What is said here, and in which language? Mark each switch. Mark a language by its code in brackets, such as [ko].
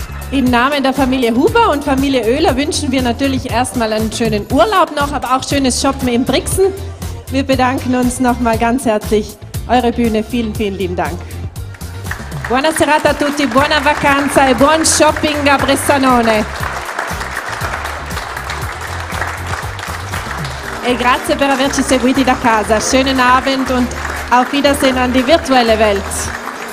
[de] Im Namen der Familie Huber und Familie Oehler wünschen wir natürlich erstmal einen schönen Urlaub noch, aber auch schönes Shoppen in Brixen. Wir bedanken uns nochmal ganz herzlich. Eure Bühne, vielen, vielen lieben Dank. [it] Buona serata a tutti, buona vacanza e buon shopping a Bressanone. E grazie per averci seguiti da casa. [de] Schönen Abend und auf Wiedersehen an die virtuelle Welt.